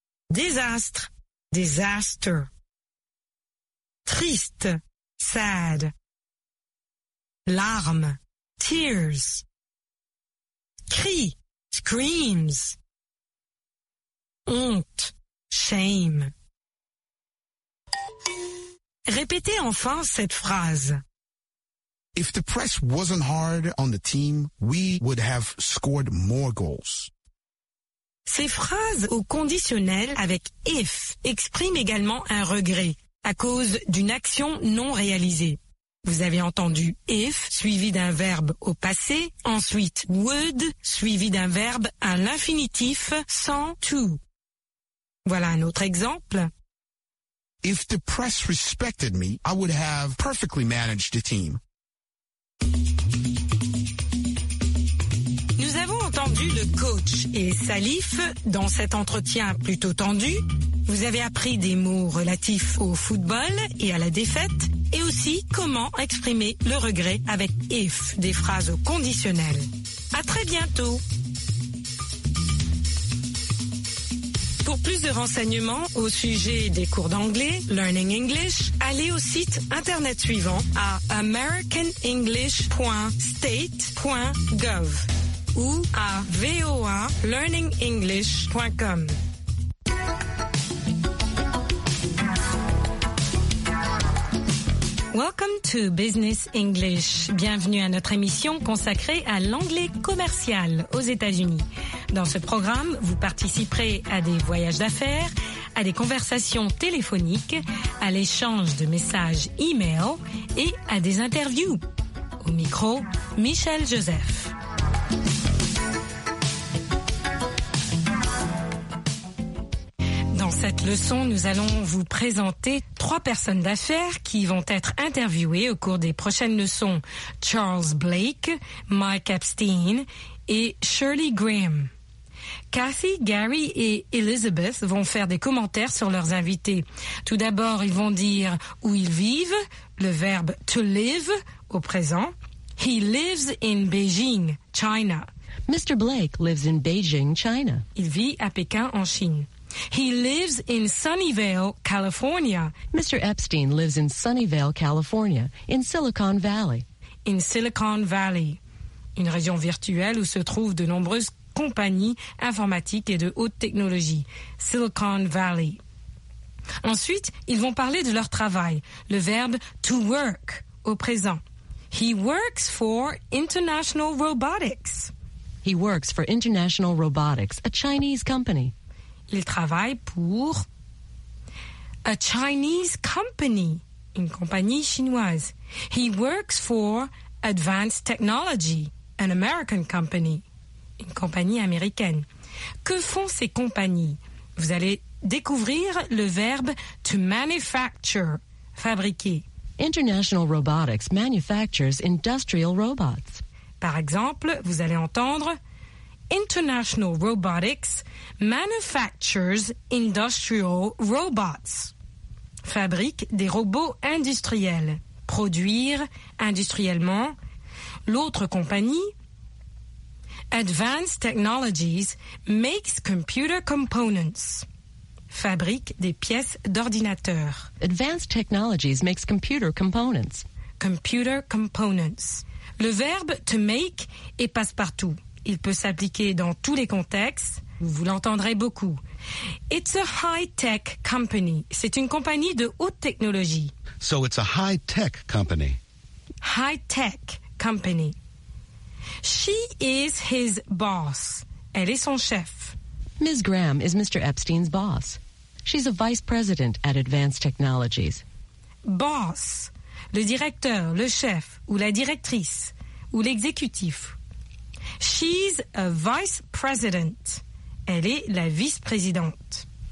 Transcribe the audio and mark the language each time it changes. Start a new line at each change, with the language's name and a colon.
French: Désastre. Disaster. Triste. Sad. Larmes. Tears. Cri. Screams. Honte. Shame. Répétez enfin cette phrase.
English: If the press wasn't hard on the team, we would have scored more goals.
French: Ces phrases au conditionnel avec if expriment également un regret à cause d'une action non réalisée. Vous avez entendu if suivi d'un verbe au passé, ensuite would suivi d'un verbe à l'infinitif sans to. Voilà un autre exemple.
English: If the press respected me, I would have perfectly managed the team.
French: Nous avons entendu le coach et Salif dans cet entretien plutôt tendu. Vous avez appris des mots relatifs au football et à la défaite et aussi comment exprimer le regret avec if, des phrases au conditionnel. À très bientôt. Pour plus de renseignements au sujet des cours d'anglais, Learning English, allez au site internet suivant à americanenglish.state.gov ou à voalearningenglish.com.
English: Welcome to Business English.
French: Bienvenue à notre émission consacrée à l'anglais commercial aux États-Unis. Dans ce programme, vous participerez à des voyages d'affaires, à des conversations téléphoniques, à l'échange de messages e-mail et à des interviews. Au micro, Michel Joseph. Dans cette leçon, nous allons vous présenter trois personnes d'affaires qui vont être interviewées au cours des prochaines leçons. Charles Blake, Mike Epstein et Shirley Graham. Kathy, Gary et Elizabeth vont faire des commentaires sur leurs invités. Tout d'abord, ils vont dire où ils vivent, le verbe to live au présent.
English: He lives in Beijing, China. Mr. Blake lives in Beijing, China.
French: Il vit à Pékin, en Chine.
English: He lives in Sunnyvale, California. Mr. Epstein lives in Sunnyvale, California, in Silicon Valley.
French: In Silicon Valley, une région virtuelle où se trouvent de nombreuses compagnies informatiques et de haute technologie. Silicon Valley. Ensuite, ils vont parler de leur travail, le verbe to work au présent.
English: He works for International Robotics. He works for International Robotics, a Chinese company.
French: Il travaille pour
English: a Chinese company,
French: une compagnie chinoise.
English: He works for Advanced Technology, an American company,
French: une compagnie américaine. Que font ces compagnies? Vous allez découvrir le verbe to manufacture, fabriquer.
English: International Robotics manufactures industrial robots.
French: Par exemple, vous allez entendre
English: International Robotics manufactures industrial robots.
French: Fabrique des robots industriels. Produire industriellement. L'autre compagnie, Advanced Technologies
English: makes computer components.
French: Fabrique des pièces d'ordinateur.
English: Advanced Technologies makes computer components. Computer components.
French: Le verbe to make est passe-partout. Il peut s'appliquer dans tous les contextes. Vous l'entendrez beaucoup.
English: It's a high-tech company.
French: C'est une compagnie de haute technologie.
English: So it's a high-tech company. High-tech company. She is his boss.
French: Elle est son chef.
English: Ms. Graham is Mr. Epstein's boss. She's a vice president at Advanced Technologies. Boss.
French: Le directeur, le chef, ou la directrice, ou l'exécutif.
English: She's a vice president.
French: Elle est la vice-présidente.